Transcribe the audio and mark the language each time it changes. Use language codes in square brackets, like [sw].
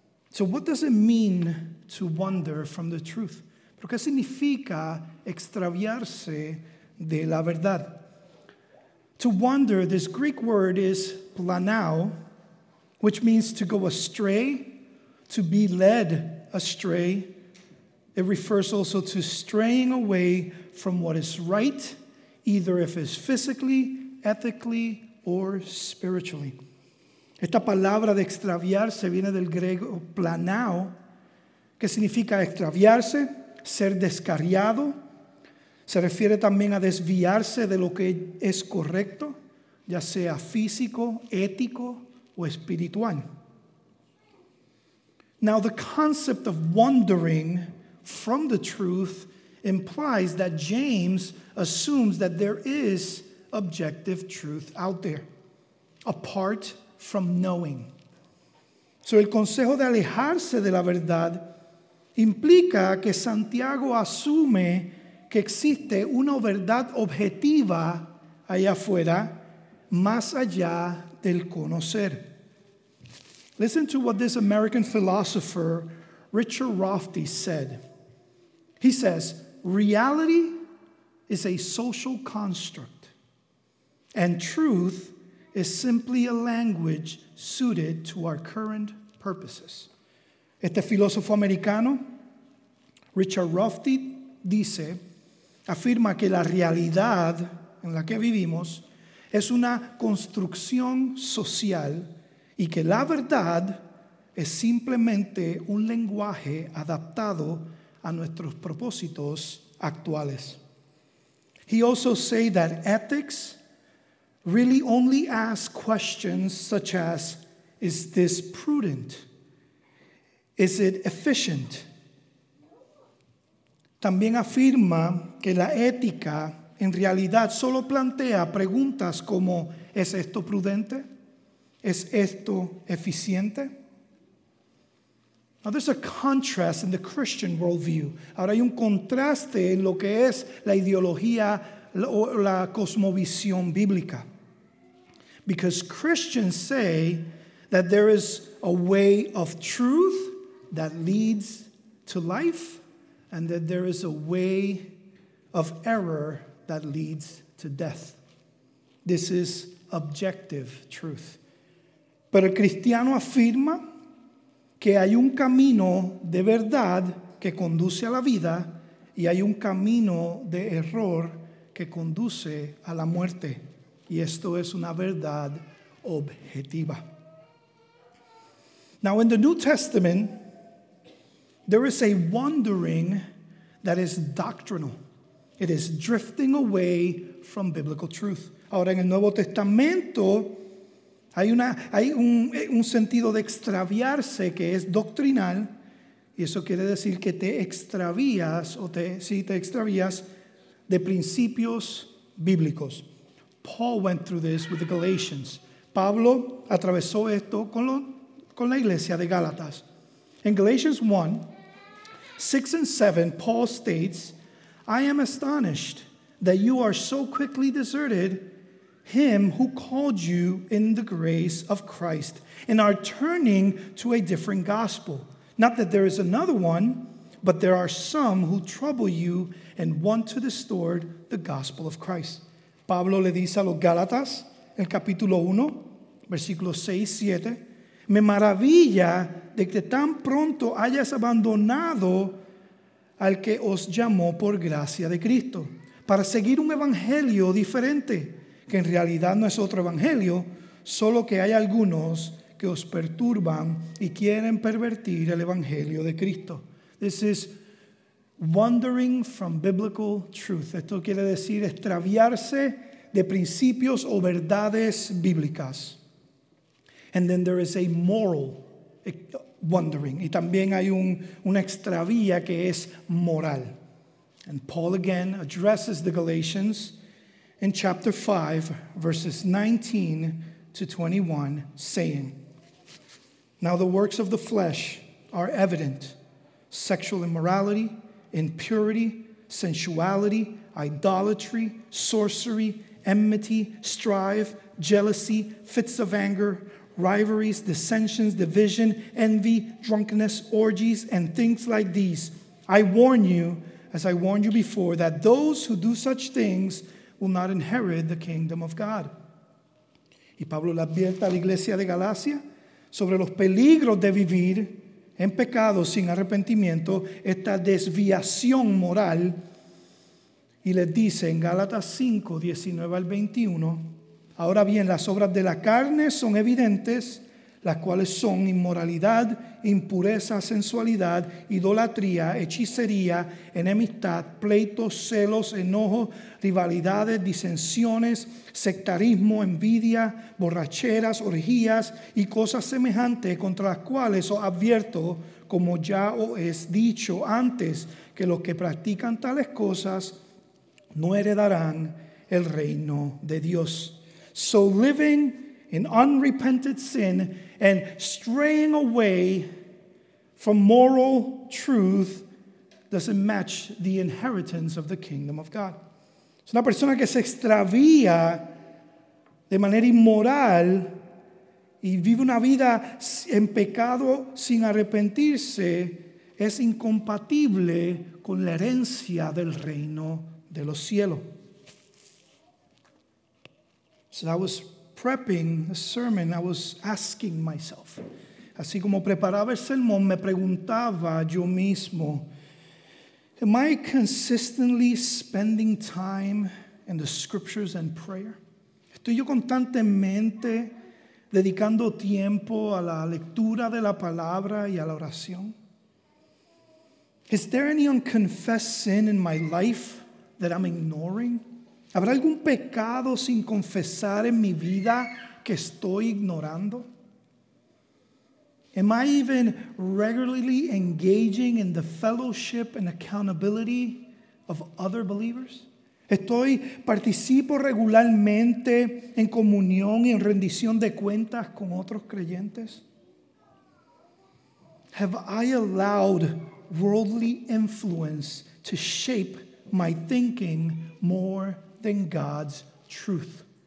[en] So what does it mean to wander from the truth? [es] ¿Pero qué significa extraviarse de la verdad? [en] To wander, this Greek word is planao, which means to go astray, to be led astray. It refers also to straying away from what is right, either if it's physically, ethically, or spiritually. [es] Esta palabra de extraviarse viene del griego planao, que significa extraviarse, ser descarriado. Se refiere también a desviarse de lo que es correcto, ya sea físico, ético o espiritual. [en] Now, the concept of wandering from the truth implies that James assumes that there is objective truth out there, apart from knowing. [es] So el consejo de alejarse de la verdad implica que Santiago asume que existe una verdad objetiva allá afuera, más allá del conocer. [en] Listen to what this American philosopher, Richard Rorty, said. He says, reality is a social construct, and truth is simply a language suited to our current purposes. [es] Este filósofo americano, Richard Rorty, dice, afirma que la realidad en la que vivimos es una construcción social y que la verdad es simplemente un lenguaje adaptado a nuestros propósitos actuales. [en] He also say that ethics really only ask questions such as, is this prudent? Is it efficient? [es] También afirma que la ética en realidad solo plantea preguntas como, ¿es esto prudente? ¿Es esto eficiente? [en] Now there's a contrast in the Christian worldview. [es] Ahora hay un contraste en lo que es la ideología o la cosmovisión bíblica. [en] Because Christians say that there is a way of truth that leads to life, and that there is a way of error that leads to death. This is objective truth. [es] Pero el cristiano afirma que hay un camino de verdad que conduce a la vida y hay un camino de error que conduce a la muerte. Y esto es una verdad objetiva. [en] Now in the New Testament, there is a wandering that is doctrinal. It is drifting away from biblical truth. [es] Ahora en el Nuevo Testamento hay un sentido de extraviarse que es doctrinal, y eso quiere decir que te extravías de principios bíblicos. [en] Paul went through this with the Galatians. [es] Pablo atravesó esto con la iglesia de Gálatas. [en] In Galatians 1, 6 and 7, Paul states, I am astonished that you are so quickly deserted him who called you in the grace of Christ and are turning to a different gospel. Not that there is another one, but there are some who trouble you and want to distort the gospel of Christ. [es] Pablo le dice a los Gálatas, el capítulo 1, versículos 6 y 7, me maravilla de que tan pronto hayas abandonado al que os llamó por gracia de Cristo para seguir un evangelio diferente, que en realidad no es otro evangelio, solo que hay algunos que os perturban y quieren pervertir el evangelio de Cristo. [en] This is wandering from biblical truth. [es] Esto quiere decir extraviarse de principios o verdades bíblicas. [en] And then there is a moral wandering. [es] Y también hay una extravía que es moral. [en] And Paul again addresses the Galatians in chapter 5, verses 19 to 21, saying, now the works of the flesh are evident, sexual immorality, impurity, sensuality, idolatry, sorcery, enmity, strife, jealousy, fits of anger, rivalries, dissensions, division, envy, drunkenness, orgies, and things like these. I warn you, as I warned you before, that those who do such things will not inherit the kingdom of God. [es] Y Pablo le advierte a la iglesia de Galacia sobre los peligros de vivir en pecado sin arrepentimiento, esta desviación moral. Y les dice en Gálatas 5, 19 al 21, ahora bien, las obras de la carne son evidentes, las cuales son inmoralidad, impureza, sensualidad, idolatría, hechicería, enemistad, pleitos, celos, enojos, rivalidades, disensiones, sectarismo, envidia, borracheras, orgías y cosas semejantes, contra las cuales os advierto, como ya os he dicho antes, que los que practican tales cosas no heredarán el reino de Dios. [en] So living in unrepented sin and straying away from moral truth doesn't match the inheritance of the kingdom of God. [es] Es una persona que se extravía de manera inmoral y vive una vida en pecado sin arrepentirse, es incompatible con la herencia del reino de los cielos. [en] So that was prepping a sermon, I was asking myself. [es] Así como preparaba el sermón, me preguntaba yo mismo, [en] am I consistently spending time in the scriptures and prayer? [es] ¿Estoy yo constantemente dedicando tiempo a la lectura de la palabra y a la oración? [en] Is there any unconfessed sin in my life that I'm ignoring? [es] ¿Habrá algún pecado sin confesar en mi vida que estoy ignorando? [en] Am I even regularly engaging in the fellowship and accountability of other believers? [es] ¿Estoy, participo regularmente en comunión y en rendición de cuentas con otros creyentes? [en] Have I allowed worldly influence to shape my thinking more than God's truth?